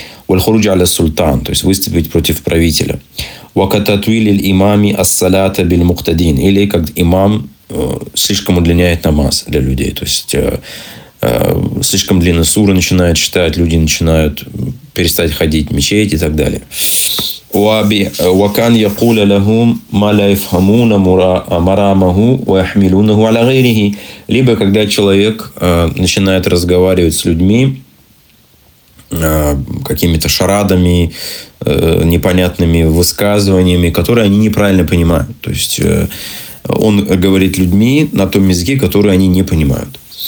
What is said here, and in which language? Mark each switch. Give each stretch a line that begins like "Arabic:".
Arabic: Валхуруджа аля султан,
Russian: то есть выступить против правителя.
Arabic: Вакататвили имами ас-салата биль муктадин.
Russian: Или как имам слишком удлиняет намаз для людей. То есть слишком длинные суры начинают читать, люди начинают перестать ходить в мечеть и так далее.
Arabic: وكان يقول لهم ما لا يفهمون مرامه ويحملونه على غيره.
Russian: Либо когда человек начинает разговаривать с людьми какими-то шарадами, непонятными высказываниями, которые они неправильно понимают. То есть он говорит людьми на том языке, который они не понимают.